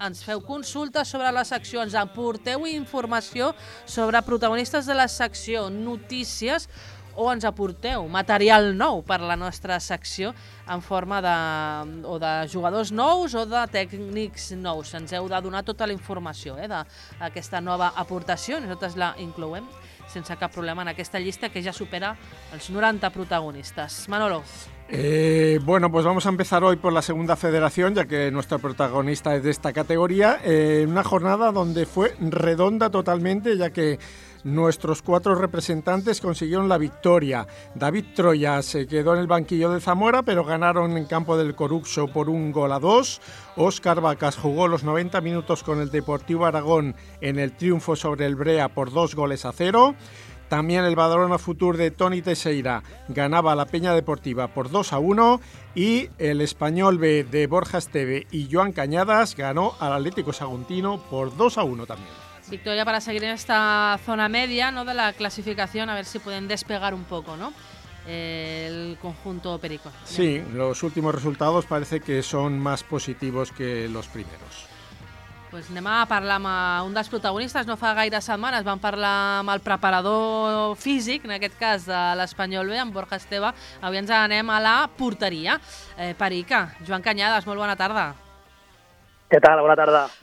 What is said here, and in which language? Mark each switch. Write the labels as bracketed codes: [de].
[ca] Ens feu consultes sobre les seccions, aporteu informació sobre protagonistes de la secció, notícies, o ens aporteu material nou per a la nostra secció en forma de, o de jugadors nous o de tècnics nous. Ens heu de donar tota la informació d'aquesta nova aportació, nosaltres la incloem sense cap problema en aquesta llista que ja supera els 90 protagonistes. Manolo. [es] Bueno, pues vamos a empezar hoy por la segunda federación, ya que nuestro protagonista es de esta categoría. Una jornada donde fue redonda totalmente, ya que nuestros cuatro representantes consiguieron la victoria. David Troya se quedó en el banquillo de Zamora, pero ganaron en campo del Coruxo por 1-2. Óscar Vacas jugó los 90 minutos con el Deportivo Aragón en el triunfo sobre el Brea por 2-0. También el Badalona Futur de Toni Teixeira ganaba a la Peña Deportiva por 2-1. Y el Español B de Borja Esteve y Joan Cañadas ganó al Atlético Saguntino por 2-1 también. Victoria para seguir en esta zona media, ¿no?, de la clasificación, a ver si pueden despegar un poco, ¿no?, el conjunto perico. Sí, los últimos resultados parece que son más positivos que los primeros. [ca] Pues anem a parlar amb un dels protagonistes. No fa gaire setmanes vam parlar amb el preparador físic, en aquest cas de l'Espanyol B, amb Borja Esteve. Avui ens anem a la porteria perica. Joan Cañadas, molt bona tarda. Què tal? Bona tarda.